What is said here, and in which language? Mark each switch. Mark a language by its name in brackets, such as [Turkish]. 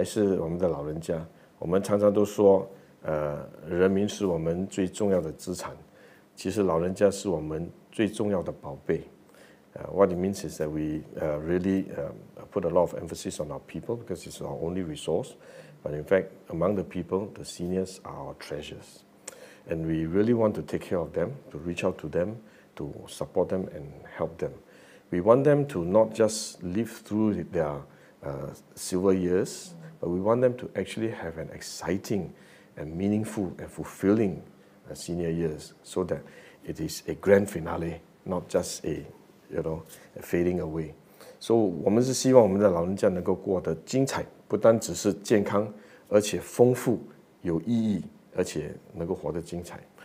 [Chinese] 我们最关心的还是我们的老人家，我们常常都说 人民是我们最重要的资产，其实老人家是我们最重要的宝贝。 [English] What it means is that we really put a lot of emphasis on our people because it's our only resource. But in fact, among the people, the seniors are our treasures. And we really want to take care of them, to reach out to them, to support them and help them. We want them to not just live through their silver years, but we want them to actually have an exciting and meaningful and fulfilling senior years, so that it is a grand finale, not just a, you know, a fading away. [Chinese] So 我们是希望我们的老人家能够过得精彩，不单只是健康，而且丰富、有意义，而且能够活得精彩。